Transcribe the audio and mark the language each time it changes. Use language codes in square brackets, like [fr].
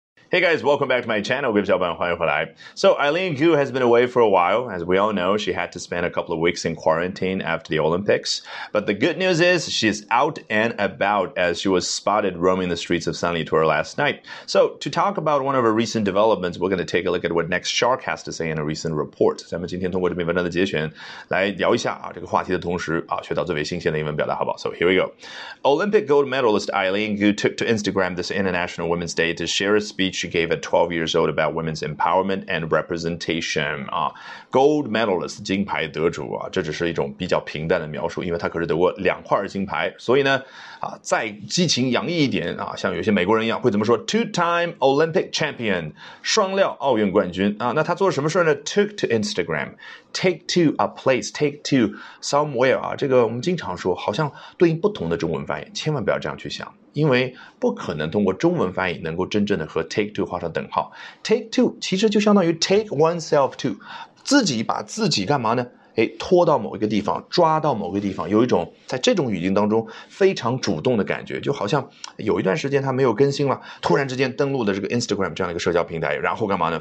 [en] Hey guys, welcome back to my channel, [zh] 我是小班，欢迎回来。 [en] So Eileen Gu has been away for a while. As we all know, she had to spend a couple of weeks in quarantine after the Olympics. But the good news is she's out and about as she was spotted roaming the streets of Sanlitun last night. So to talk about one of her recent developments, we're going to take a look at what Next Shark has to say in a recent report. [zh] 咱们今天通过这篇文章的节选来聊一下这个话题的同时学到最为新鲜的英文表达，好不好？ [en] So here we go. Olympic gold medalist Eileen Gu took to Instagram this International Women's Day to share a speech she gave at 12 years old about women's empowerment and representation. Gold medalist, [zh] 金牌得主啊，这只是一种比较平淡的描述，因为她可是得过两块金牌，所以呢，再激情洋溢一点啊，像有些美国人一样会怎么说 ？ [en] Two-time Olympic champion, [zh] 双料奥运冠军啊。那她做了什么事呢 ？ [en] Took to Instagram, take to a place, take to somewhere [zh] 啊。这个我们经常说，好像对应不同的中文翻译，千万不要这样去想。因为不可能通过中文翻译能够真正的和 take to 画上等号。 take to 其实就相当于 take oneself to， 自己把自己干嘛呢？哎，拖到某一个地方，抓到某个地方，有一种在这种语境当中非常主动的感觉，就好像有一段时间他没有更新了，突然之间登录的这个 Instagram 这样的一个社交平台，然后干嘛呢？